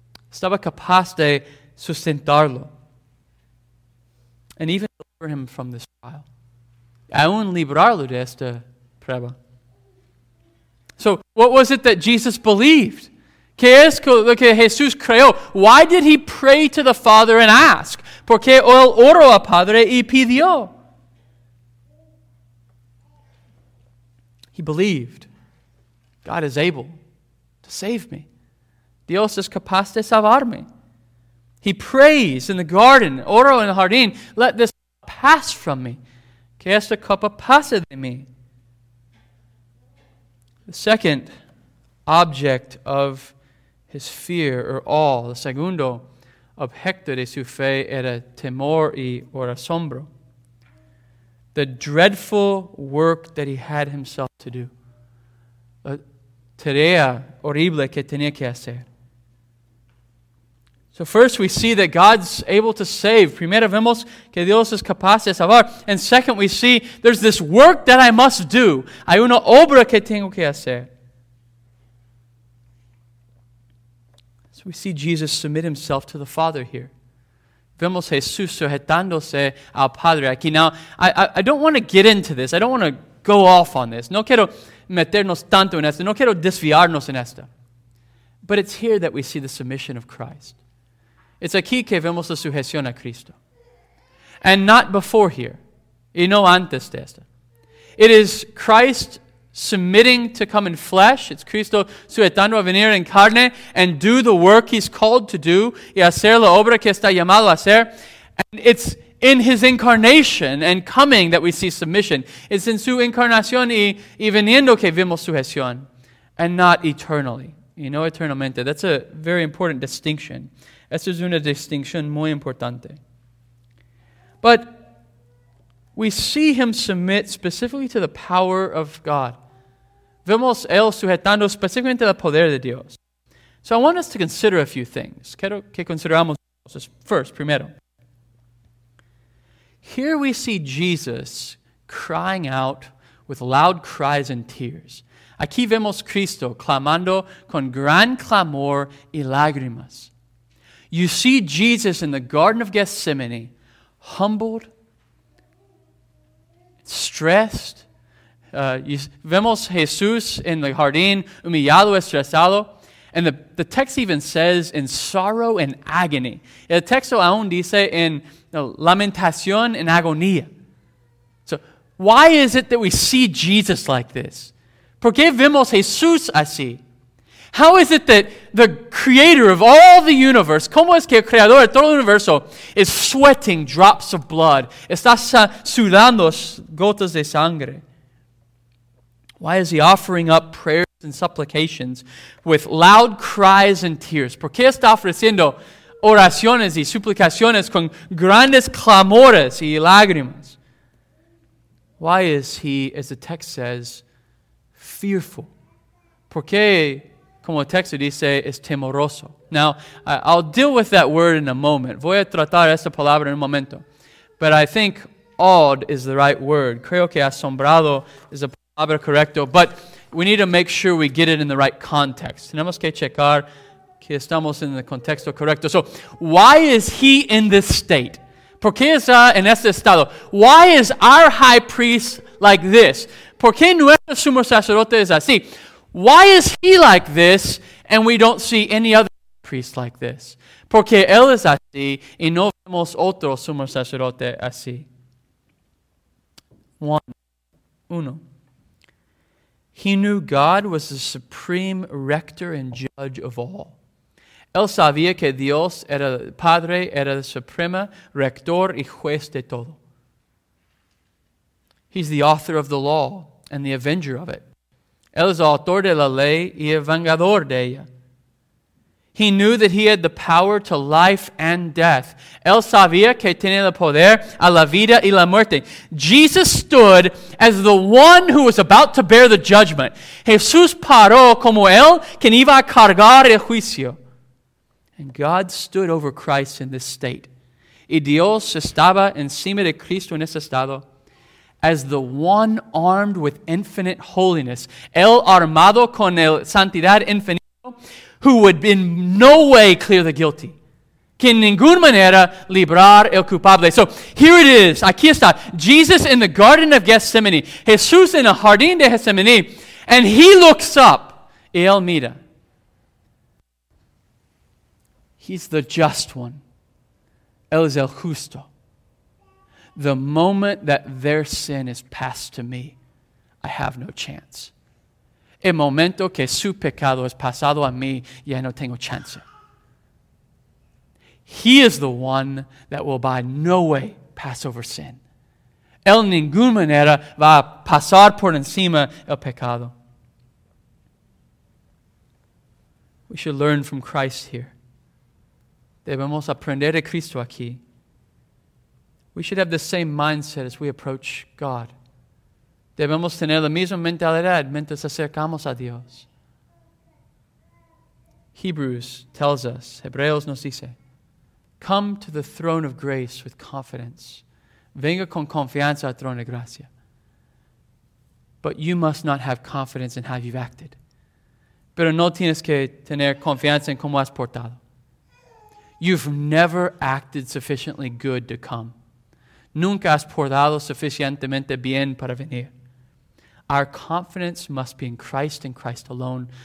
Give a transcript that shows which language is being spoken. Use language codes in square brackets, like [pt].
[es] Estaba capaz de sustentarlo. [en] And even deliver him from this trial. [es] Aún librarlo de esta prueba. [en] So, what was it that Jesus believed? ¿Qué es lo que Jesús creó? Why did he pray to the Father and ask? [es] ¿Por qué él oró a Padre y pidió? [en] He believed. God is able to save me. [es] Dios es capaz de salvarme. [en] He prays in the garden, [es] oro en el jardín, [en] let this pass from me. [es] Que esta copa pase de mí. [en] The second object of his fear or awe, the [es] segundo objeto de su fe era temor y [en] or [es] asombro. [en] The dreadful work that he had himself to do. [es] La tarea horrible que tenía que hacer. [en] So first we see that God's able to save. [es] Primero vemos que Dios es capaz de salvar. [en] And second we see there's this work that I must do. [es] Hay una obra que tengo que hacer. [en] So we see Jesus submit himself to the Father here. [es] Vemos Jesús sujetándose al Padre aquí. [en] Now, I don't want to get into this. I don't want to go off on this. [es] No quiero meternos tanto en esto. [en] No quiero desviarnos en esto. But it's here that we see the submission of Christ. [es] It's aquí que vemos la sujeción a Cristo. [en] And not before here. [es] Y no antes de esto. [en] It is Christ submitting to come in flesh. [es] It's Cristo sujetando a venir en carne [en] and do the work he's called to do [es] y hacer la obra que está llamado a hacer. [en] And it's in his incarnation and coming that we see submission. [es] It's in su encarnación y viniendo que vemos sujeción. [en] And not eternally. [es] Y no eternamente. [en] That's a very important distinction. [es] Esta es una distinción muy importante. [en] But we see him submit specifically to the power of God. [es] Vemos él sujetando específicamente al poder de Dios. [en] So I want us to consider a few things. [es] Quiero que consideramos cosas. [en] First, primero. Here we see Jesus crying out with loud cries and tears. [es] Aquí vemos Cristo clamando con gran clamor y lágrimas. [en] You see Jesus in the Garden of Gethsemane, humbled, stressed. [es] Vemos Jesús en el jardín, humillado, estresado. [en] And the text even says, in sorrow and agony. [es] El texto aún dice, en lamentación en agonía. [en] So, why is it that we see Jesus like this? [es] ¿Por qué vemos Jesús así? [en] How is it that the creator of all the universe, [es] como es que el creador de todo el universo, [en] is sweating drops of blood, [es] está sudando gotas de sangre? [en] Why is he offering up prayers and supplications with loud cries and tears? [es] ¿Por qué está ofreciendo oraciones y suplicaciones con grandes clamores y lágrimas? [en] Why is he, as the text says, fearful? [es] ¿Por qué? Como el texto dice, es temoroso. [en] Now, I'll deal with that word in a moment. [es] Voy a tratar esta palabra en un momento. [en] But I think awed is the right word. [es] Creo que asombrado [en] is [es] a palabra correcta. [en] But we need to make sure we get it in the right context. [es] Tenemos que checar que estamos en el contexto correcto. [en] So, why is he in this state? [es] ¿Por qué está en este estado? [en] Why is our high priest like this? [es] ¿Por qué nuestro sumo sacerdote es así? [en] Why is he like this and we don't see any other priest like this? [es] Porque él es así y no vemos otro sumo sacerdote así. Uno. [en] He knew God was the supreme rector and judge of all. [es] Él sabía que Dios era el Padre, era el supremo rector y juez de todo. [en] He's the author of the law and the avenger of it. [es] Él es autor de la ley y el vengador de ella. [en] He knew that he had the power to life and death. [es] Él sabía que tenía el poder a la vida y la muerte. [en] Jesus stood as the one who was about to bear the judgment. [es] Jesús paró como él quien iba a cargar el juicio. [en] And God stood over Christ in this state. [es] Y Dios estaba encima de Cristo en ese estado. [en] As the one armed with infinite holiness, [es] el armado con el santidad infinito, [en] who would in no way clear the guilty, [es] que en ninguna manera librar el culpable. [en] So here it is, [es] aquí está, [en] Jesus in the Garden of Gethsemane, [es] Jesús en el Jardín de Gethsemane, [en] and he looks up, [es] y él mira. [en] He's the just one. [es] Él es el justo. [en] The moment that their sin is passed to me, I have no chance. [es] El momento que su pecado es pasado a mí, ya no tengo chance. [en] He is the one that will by no way pass over sin. [es] Él en ninguna manera va a pasar por encima el pecado. [en] We should learn from Christ here. [es] Debemos aprender de Cristo aquí. [en] We should have the same mindset as we approach God. [es] Debemos tener la misma mentalidad mientras acercamos a Dios. [en] Hebrews tells us, [es] Hebreos nos dice, [en] come to the throne of grace with confidence. [es] Venga con confianza al trono de gracia. [en] But you must not have confidence in how you've acted. [es] Pero no tienes que tener confianza en cómo has portado. [en] You've never acted sufficiently good to come. [es] Nunca has portado suficientemente bien para venir. [en] Our confidence must be in Christ and Christ alone.